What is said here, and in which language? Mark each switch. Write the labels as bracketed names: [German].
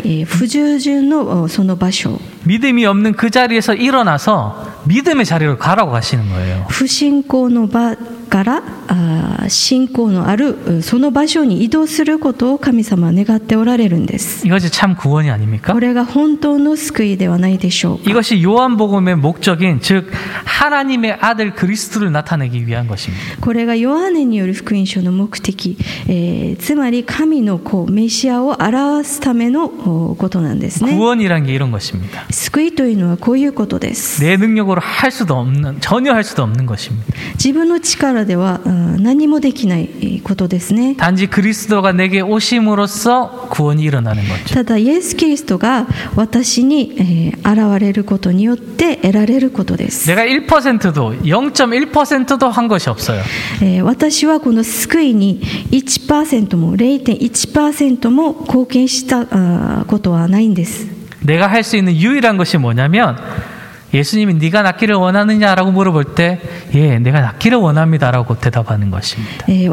[Japanese] 知っているけれども神様の言葉を聞かない不従順のその場所. [Korean] 믿음이 없는 그 자리에서 일어나서 믿음의 자리로 가라고 하시는 거예요. [Japanese] 不信仰の場から信仰のあるその場所に移動することを神様は願っておられるんです。 [Korean] 이것이 참 구원이 아닙니까? [Japanese] これが本当の救いではないでしょう。 [Korean] 이것이 요한복음의 목적인 즉 하나님의 아들 그리스도를 나타내기 위한 것입니다. [Japanese] これがヨハネによる福音書の目的、つまり神の子メシアを表すためのことなんですね。 [Korean] 구원이란 게 이런 것입니다. [Japanese] 救いというのはこういうことです。 [Korean] 내능력으로할수도없는전혀할수도없는것입니다 [Japanese] 自分の力では何もできないことですね [Korean] 단지그리스도가내게오심으로써구원이일어나는거죠 [Japanese] ただイエス・キリストが私に現れることによって得られることです [Korean] 내가 1% 도 0.1% 도한것이없어요 [Japanese] 私はこの救いに 1% も 0.1% も貢献したことはないんです [Korean] 내가할수있는유일한것이뭐냐면예수님이네가낫기를원하느냐라고물어볼때예내가낫기를원합니다라고대답하는것입니다